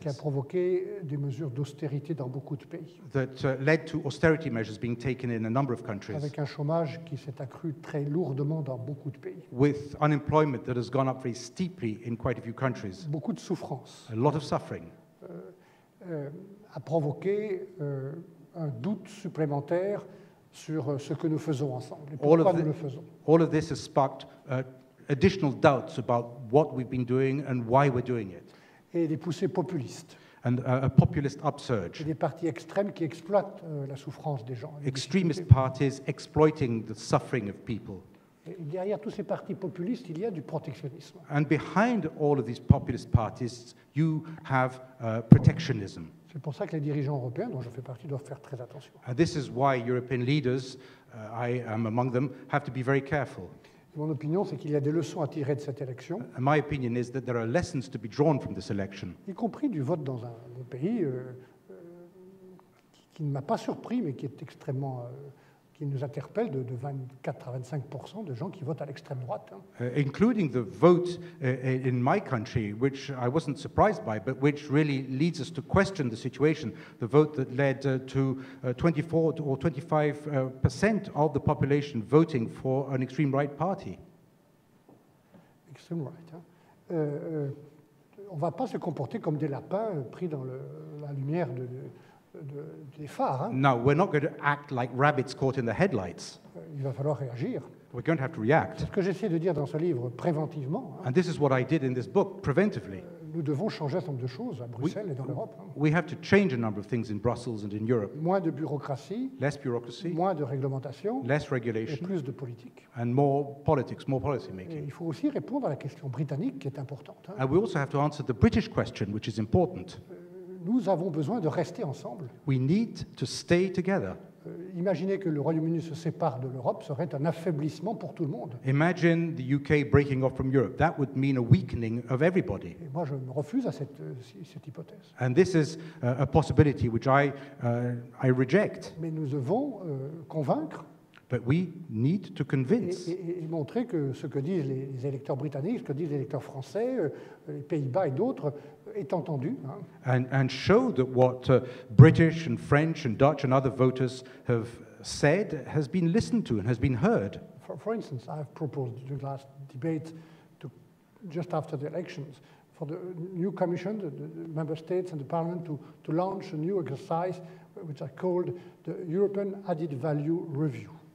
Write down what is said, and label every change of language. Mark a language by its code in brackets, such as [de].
[fr] Qui a provoqué des mesures d'austérité dans beaucoup de pays. [en] That led to austerity measures being taken in a number of countries. [fr] Avec un chômage qui s'est accru très lourdement dans beaucoup de pays. [en] With unemployment that has gone up very steeply in quite a few countries. [fr] Beaucoup de souffrance. [en] A lot of suffering. [fr] A provoqué un doute supplémentaire sur ce que nous faisons ensemble. [en] All of this has sparked additional doubts about what we've been doing and why we're doing it. [fr] Et des poussées populistes. [en] And a populist upsurge. [fr] Et des partis extrêmes qui exploitent la souffrance des gens. [en] Extremist parties exploiting the suffering of people. [fr] Et derrière tous ces partis populistes, il y a du protectionnisme. [en] And behind all of these populist parties, you have protectionism. [fr] C'est pour ça que les dirigeants européens, dont je fais partie, doivent faire très attention. [en] And this is why European leaders, I am among them, have to be very careful. [fr] Mon opinion, c'est qu'il y a des leçons à tirer de cette élection. [en] And my opinion is that there are lessons to be drawn from this election. [fr] Y compris du vote dans un pays qui ne m'a pas surpris, mais qui est extrêmement, qui nous interpelle de 24 à 25% de gens qui votent à l'extrême droite. Hein. [en] Including the vote in my country, which I wasn't surprised by, but which really leads us to question the situation, the vote that led to 24 or 25% of the population voting for an extreme right party. Extreme right, hein. [fr] On ne va pas se comporter comme des lapins pris dans la lumière de des phares, hein. [en] No, we're not going to act like rabbits caught in the headlights. [fr] Il va falloir réagir. [en] We're going to have to react. [fr] C'est ce que j'essaie de dire dans ce livre, préventivement. Hein. [en] And this is what I did in this book, preventively. [fr] Nous devons changer un nombre de choses à Bruxelles et dans l'Europe. [en] We have to change a number of things in Brussels and in Europe. [fr] Moins de bureaucratie. [en] Less bureaucracy. [fr] Moins de réglementation. [en] Less regulation. [fr] Et plus de politique. [en] And more politics, more policy making. [fr] Et il faut aussi répondre à la question britannique qui est importante. Hein. [en] And we also have to answer the British question, which is important. [fr] Nous avons besoin de rester ensemble. [en] We need to stay together. [fr] Imaginer que le Royaume-Uni se sépare de l'Europe serait un affaiblissement pour tout le monde. [en] Imagine the UK breaking off from Europe. That would mean a weakening of everybody. [fr] Et moi, je me refuse à cette hypothèse. [en] And this is a possibility which I reject. [fr] Mais nous devons convaincre. [en] But we need to convince. [fr] Et montrer que ce que disent les électeurs britanniques, ce que disent les électeurs français, les Pays-Bas et d'autres, est entendu. [en] And show that what British and French and Dutch and other voters have said has been listened to and has been heard. For instance, I've proposed the last debate to, just after the elections, for the new commission, the member states and the parliament to launch a new exercise which I called the European Added Value Review.